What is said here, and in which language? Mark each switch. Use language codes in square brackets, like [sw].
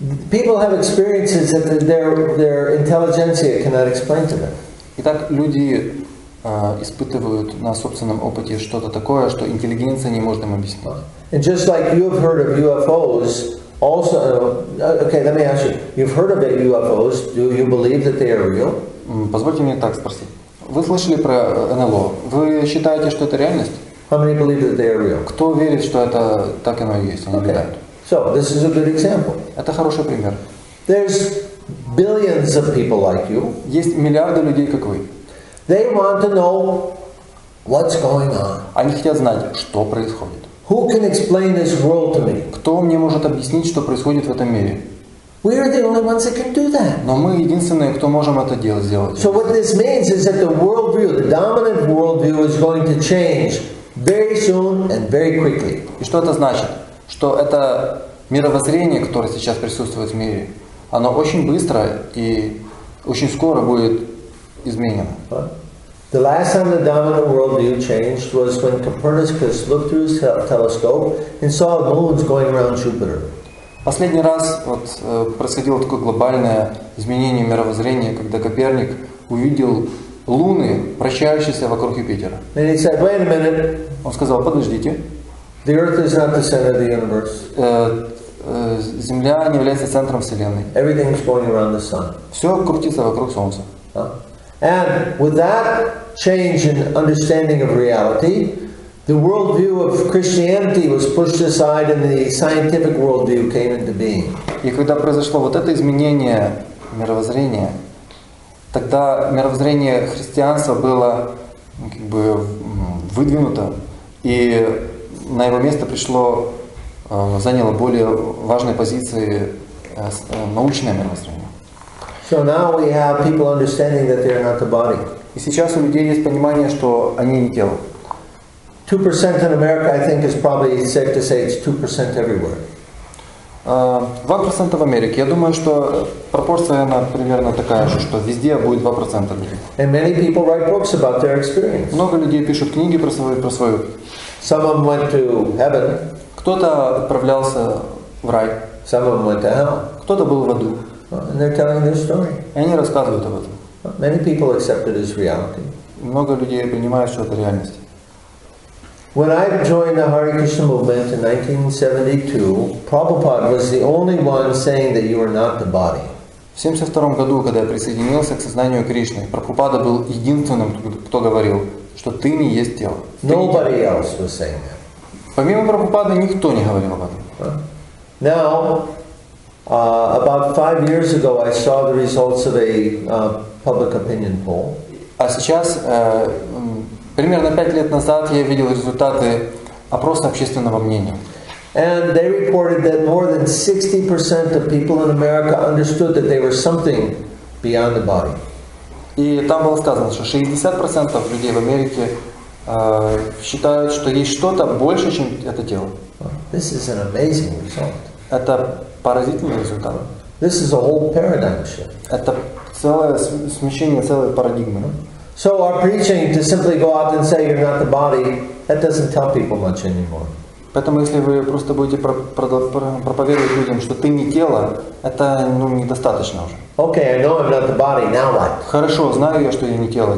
[en] People have experiences that their intelligentsia cannot explain to them. [ru] Итак, люди испытывают на собственном опыте что-то такое, что интеллигенция не может им объяснить. [en] And just like you've heard of UFOs, also, okay, let me ask you, you've heard about UFOs, do you believe that they are real? [ru] Позвольте мне так спросить. Вы слышали про НЛО? Вы считаете, что это реальность? [en] How many believe that they are real? [ru] Кто верит, что это так оно и есть? Они okay. Верят. [en] So, this is a good example. [ru] Это хороший пример. [en] There's billions of people like you. [ru] Есть миллиарды людей, как вы. [en] They want to know what's going on. [ru] Они хотят знать, что происходит. [en] Who can explain this world to me? [ru] Кто мне может объяснить, что происходит в этом мире? [en] We are the only ones that can do that. [ru] Но мы единственные, кто можем это делать, сделать. [en] So what this means is that the worldview, the dominant worldview, is going to change very soon and very quickly. [ru] И что это значит? Что это мировоззрение, которое сейчас присутствует в мире, оно очень быстро и очень скоро будет изменено. [en] The last time the dominant worldview changed was when Copernicus looked through his telescope and saw moons going around Jupiter. [ru] Последний раз вот происходило такое глобальное изменение мировоззрения, когда Коперник увидел луны, вращающиеся вокруг Юпитера. [en] And he said, "Wait a minute." [ru] Он сказал: "Подождите." [en] The Earth is not the center of the universe. [ru] Земля не является центром Вселенной. [en] Everything is going around the sun. [ru] Все крутится вокруг Солнца. [en] And with that change in understanding of reality, the worldview of Christianity was pushed aside, and the scientific worldview came into being. [ru] И когда произошло вот это изменение мировоззрения, тогда мировоззрение христианства было как бы выдвинуто, и на его место пришло, заняло более важные позиции научное мировоззрение. [en] So now we have people understanding that they are not the body. [ru] И сейчас у людей есть понимание, что они не тело. [en] 2% in America, I think, is probably safe to say it's 2% everywhere. [ru] 2% в Америке. Я думаю, что пропорция, она примерно такая же, что везде будет 2% людей. [en] And many people write books about their experience. [ru] Много людей пишут книги про свою. Про свою. [en] Some of them went to heaven. [ru] Кто-то отправлялся в рай. [en] Some of them went to hell. [ru] Кто-то был в аду. [en] And they're telling their story. [ru] И они рассказывают об этом. [en] Many people accept it as reality. [ru] Много людей принимают, что это реальность. [en] When I joined the Hare Krishna movement in 1972, Prabhupada was the only one saying that you are not the body. [ru] В 72-м году, когда я присоединился к сознанию Кришны, Прабхупада был единственным, кто говорил, что ты не есть тело. [en] Nobody else was saying that. [ru] Помимо Прабхупады, никто не говорил об этом. [en] Now, about 5 years ago, I saw the results of a public opinion poll. [ru] А сейчас примерно 5 лет назад я видел результаты опроса общественного мнения. [en] And they reported that more than 60% of people in America understood that they were something beyond the body. [ru] И там было сказано, что 60% людей в Америке считают, что есть что-то больше, чем это тело. [en] This is an amazing result. [ru] Это поразительный результат. [en] This is a whole paradigm shift. [ru] Это целое смещение целой парадигмы. [en] So our preaching to simply go out and say you're not the body, that doesn't tell people much anymore. [ru] Поэтому если вы просто будете проповедовать людям, что ты не тело, это недостаточно уже. [en] Okay, I know I'm not the body. Now what? [ru] Хорошо, знаю я, что я не тело.